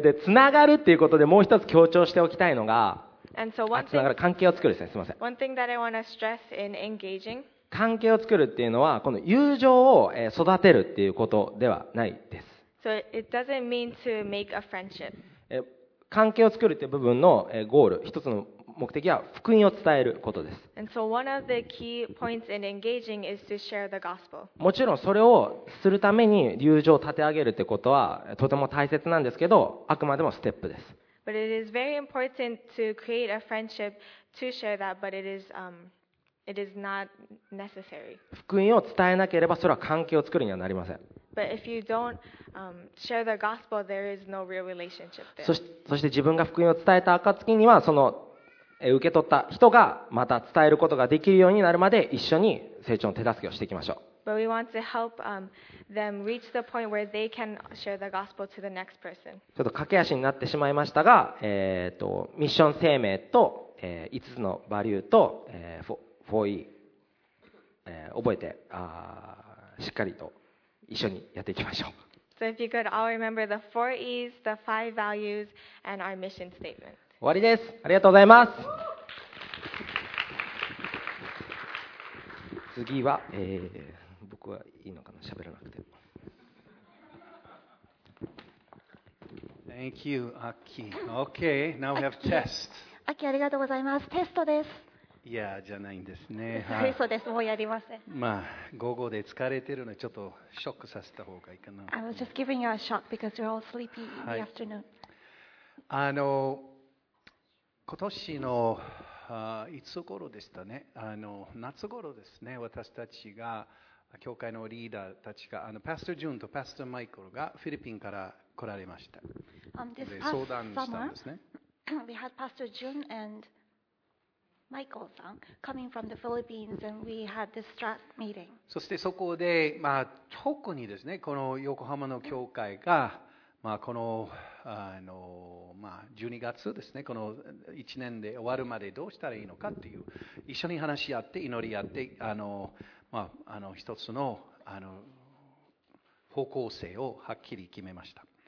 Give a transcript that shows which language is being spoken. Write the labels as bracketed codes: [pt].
[ja] で、つながるっていうことでもう一つ強調しておきたいのが、つながる、関係を作るですね。すみません。 [en] One thing that I want to stress in engaging. [ja] 関係を作るっていうのはこの友情を育てるっていうことではないです。 [en] So it doesn't mean to make a friendship. [ja] 関係を作るっていう部分のゴール、一つの目的は福音を伝えることです。もちろんそれをするために友情を立て上げるってことはとても大切なんですけど、あくまでもステップです。 [en] But it is very important to create a friendship to share that, but it is not necessary. [ja] 福音を伝えなければそれは関係を作るにはなりません。 [en] But if you don't share the gospel, there is no real relationship there. [ja] そして自分が福音を伝えた暁にはその受け取った人がまた伝えることができるようになるまで一緒に成長の手助けをしていきましょう。 [en] But we want to help them reach the point where they can share the gospel to the next person. [ja] ちょっと駆け足になってしまいましたが、ミッション生命と、5つのバリューと、4E、覚えて、しっかりと一緒にやっていきましょう。 [en] So if you could all remember the 4E's, the 5 values, and our mission statement. [ja] 終わりです。ありがとうございます。次は、僕はいいのかな、喋らなくて。 [en] Thank you, Aki. Okay, now we have test. [ja] Aki, ありがとうございます。テストです。いや、じゃないんですね。はい、そうです。もうやりません。まあ、午後で疲れてるので、ちょっとショックさせた方がいいかな。 [en] I was just giving you a shock because you're all sleepy in the afternoon. [ja] 今年のいつ頃でしたね、夏頃ですね、私たちが教会のリーダーたちがパスタジュンとパスタマイクルがフィリピンから来られました。で、相談したんですね。 [en] We had Pastor June and Michael さん、coming from the Philippines, and we had this staff meeting. [ja] そしてそこで、まあ、特にですね、この横浜の教会が、まあ、この、まあ、12月ですね、この1年で終わるまでどうしたらいいのかっていう、一緒に話し合って、祈り合って、まあ、一つの、方向性をはっきり決めました。